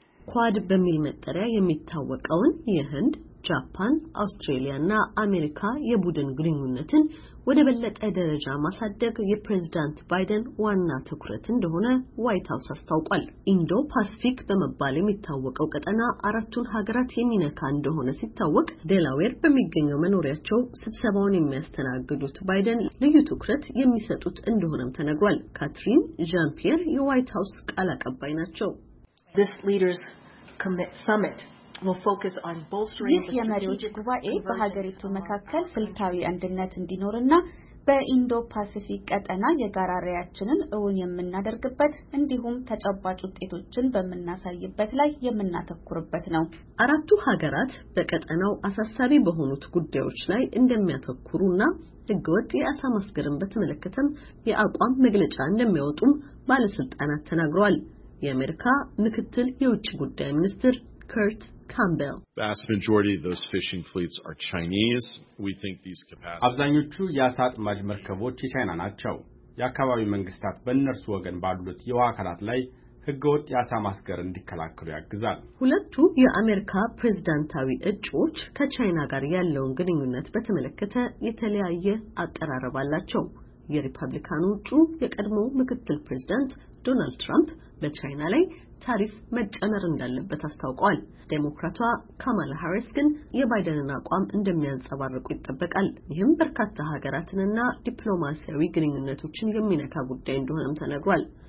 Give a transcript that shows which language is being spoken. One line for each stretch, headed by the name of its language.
Amharic: ኳድ በሚል መጠሪያ የሚታወቀውን የህንድ፣ ጃፓን፣ አውስትራሊያ እና አሜሪካ የቡድን ግንኙነትን ወደ በለጠ ደረጃ ማሳደግ የፕሬዝዳንት ባይደን ዋና ትኩረት እንደሆነ ዋይት ሀውስ አስታውቋል። ኢንዶ ፓስፊክ በመባል የሚታወቀው ቀጠና አራቱን ሀገራት የሚነካ እንደሆነ ሲታወቅ፣ ዴላዌር በሚገኘው መኖሪያቸው ስብሰባውን የሚያስተናግዱት ባይደን ልዩ ትኩረት የሚሰጡት እንደሆነም ተነግሯል። ካትሪን ዣምፒየር የዋይት ሀውስ ቃል አቀባይ ናቸው።
English: This leaders commit summit will focus on bolstering the strategic
Amharic: ጉባኤ በሀገሪቱ መካከል ስልታዊ አንድነት እንዲኖርና በኢንዶ ፓሲፊክ ቀጠና የጋራ ራዕያችንን እውን የምናደርግበት እንዲሁም ተጨባጭ ውጤቶችን በመናሳይበት ላይ የምናተኩርበት ነው። አራቱ ሀገራት በቀጠናው አሳሳቢ በሆኑት ጉዳዮች ላይ እንደሚያተኩሩና ህገወጥ የአሳ ማስገርን በተመለከተም የአቋም መግለጫ እንደሚያወጡም ባለስልጣናት ተናግረዋል። የአሜሪካ ምክትል የውጭ ጉዳይ ሚኒስትር ከርት ካምቤል
English: vast majority of those fishing fleets are Chinese. We think these capacities
Amharic: አብዛኞቹ የአሳ አጥማጅ መርከቦች የቻይና ናቸው። የአካባቢው መንግስታት በእነርሱ ወገን ባሉት የውሃ አካላት ላይ ህገወጥ የአሳ ማስገር እንዲከላከሉ ያግዛል። ሁለቱ የአሜሪካ ፕሬዝዳንታዊ እጩዎች ከቻይና ጋር ያለውን ግንኙነት በተመለከተ የተለያየ አቀራረብ አላቸው። የሪፐብሊካኑ እጩ የቀድሞው ምክትል ፕሬዝዳንት ዶናልድ ትራምፕ በቻይና ላይ ታሪፍ መጨመር እንዳለበት አስታውቋል። ዴሞክራቷ ካማላ ሃሪስ ግን የባይደንን አቋም እንደሚያንጸባርቁ ይጠበቃል። ይህም በርካታ ሀገራትንና ዲፕሎማሲያዊ ግንኙነቶችን የሚነካ ጉዳይ እንደሆነም ተነግሯል።